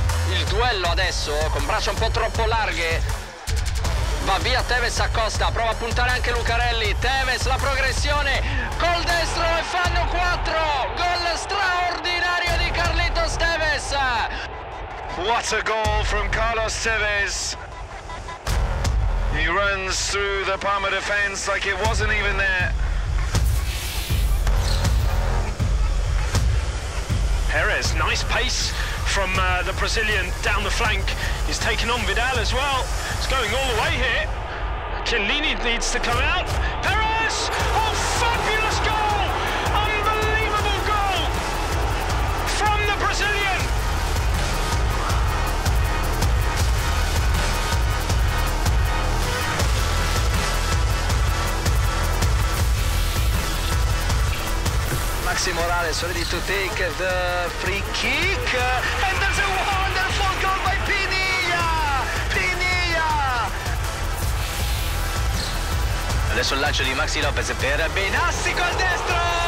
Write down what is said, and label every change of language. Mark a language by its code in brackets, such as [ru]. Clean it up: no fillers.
[it] Il duello adesso, con braccia un po' troppo larghe, va via Tevez a Costa, prova a puntare anche Lucarelli, Tevez la progressione, col destro e fanno 4, gol straordinario di Carlitos Tevez. [en] What a goal from Carlos Tevez. He runs through the Parma defense like it wasn't even there. Perez, nice pace from the Brazilian down the flank. He's taken on Vidal as well. He's going all the way here. Chiellini needs to come out. Perez! Oh, fabulous goal! Unbelievable goal from the Brazilian! Maxi Morales ready to take the free kick. And there's a wonderful goal by Pinilla! Pinilla! [it] Adesso il lancio di Maxi Lopez per Benassi col destro!